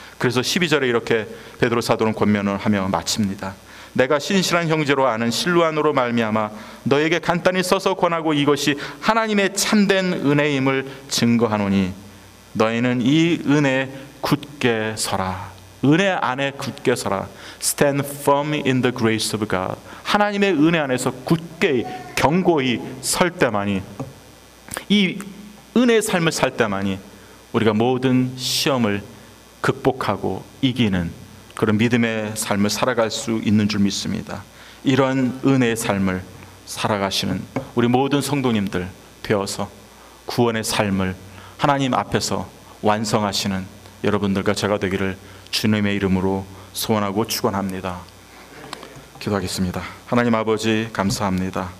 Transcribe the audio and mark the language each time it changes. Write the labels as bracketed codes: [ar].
[ko] 그래서 12절에 이렇게 베드로 사도는 권면을 하며 마칩니다. 내가 신실한 형제로 아는 실루안으로 말미암아 너에게 간단히 써서 권하고 이것이 하나님의 참된 은혜임을 증거하노니 너희는 이 은혜에 굳게 서라. 은혜 안에 굳게 서라. [en] Stand firm in the grace of God. [ko] 하나님의 은혜 안에서 굳게, 견고히 설 때만이, 이 은혜의 삶을 살 때만이 우리가 모든 시험을 극복하고 이기는 그런 믿음의 삶을 살아갈 수 있는 줄 믿습니다. 이런 은혜의 삶을 살아가시는 우리 모든 성도님들 되어서 구원의 삶을 하나님 앞에서 완성하시는 여러분들과 제가 되기를 주님의 이름으로 소원하고 축원합니다. 기도하겠습니다. 하나님 아버지, 감사합니다.